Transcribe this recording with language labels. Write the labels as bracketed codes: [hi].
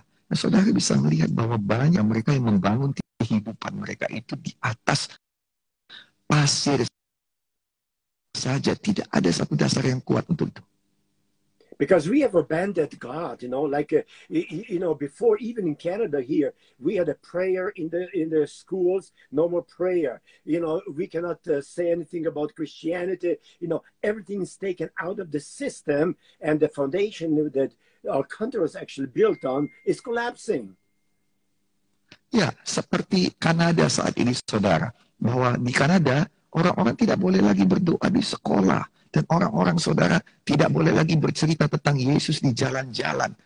[id] Nah, saudara bisa melihat bahwa banyak mereka yang membangun kehidupan mereka itu di atas pasir saja, tidak ada satu dasar yang kuat untuk itu. [en] Because we have abandoned God, you know, like, you know, before, even in Canada here, we had a prayer in the schools, no more prayer. You know, we cannot say anything about Christianity. You know, everything is taken out of the system and the foundation that our country was actually built on is collapsing. [id] Ya, seperti Kanada saat ini, saudara, bahwa di Kanada, orang-orang tidak boleh lagi berdoa di sekolah. Dan orang-orang, saudara, tidak boleh lagi bercerita tentang Yesus di jalan-jalan.